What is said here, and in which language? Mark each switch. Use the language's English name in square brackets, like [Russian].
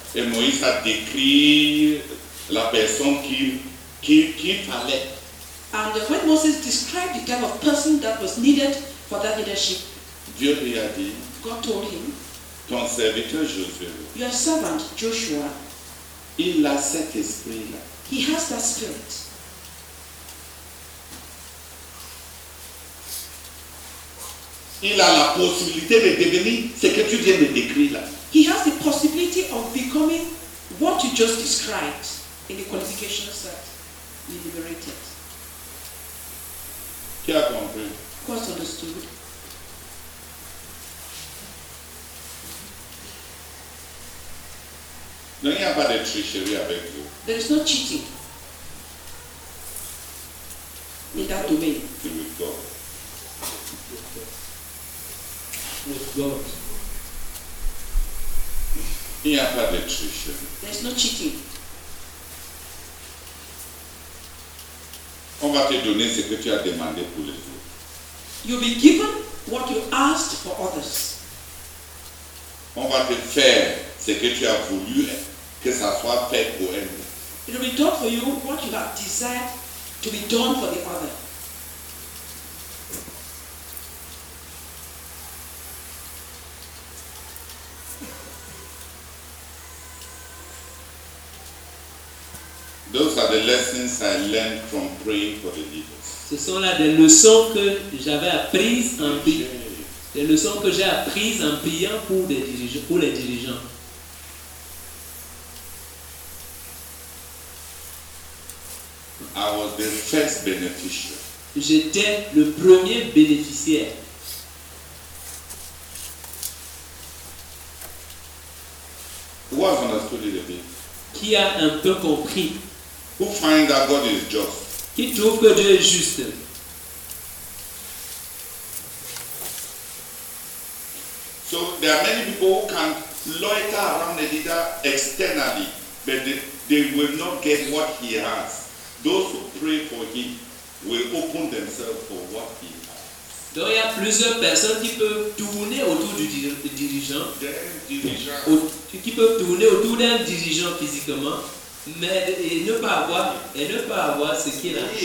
[French] et Moïse a décrit la personne qui fallait. [English] And when Moses described the type of person that was needed for that leadership, [French] Dieu lui a dit, [English] God told him, [French] ton serviteur Josué, [English] your servant Joshua, [French] il a cet esprit-là. [English] He has that spirit. [French] Il a la possibilité de devenir ce que tu viens de décrire là. [English] He has the possibility of becoming what you just described in the qualifications that you liberated. [French] Qui a compris? [English] Who has understood? [French] Non, il n'y a pas de tricherie avec vous. [English] There is no cheating in that domain. With God. [French] Il n'y a pas de tricherie. [English] There's no cheating. [French] On va te donner ce que tu as demandé pour les autres. [English] You'll be given what you asked for others. [French] On va te faire ce que tu as voulu que ça soit fait pour elle. [English] It will be done for you what you have desired to be done for the other. Those are the lessons I learned from praying for the leaders. [French] Ce sont là des leçons que j'avais apprises en priant. Des leçons que j'ai apprises en priant pour les dirigeants. [English] I was the first beneficiary. [French] J'étais le premier bénéficiaire. [English] Who has understood it a bit? [French] Qui a un peu compris? [English] Who finds that God is just? [French] Qui trouve que Dieu est juste? [English] So there are many people who can loiter around the leader externally, but they will not get what he has. Those who pray for him will open themselves for what he has. [French] Donc il y a plusieurs personnes qui peuvent tourner autour du dirigeant. Qui peuvent tourner autour d'un dirigeant physiquement, mais ne pas avoir ce qu'il a.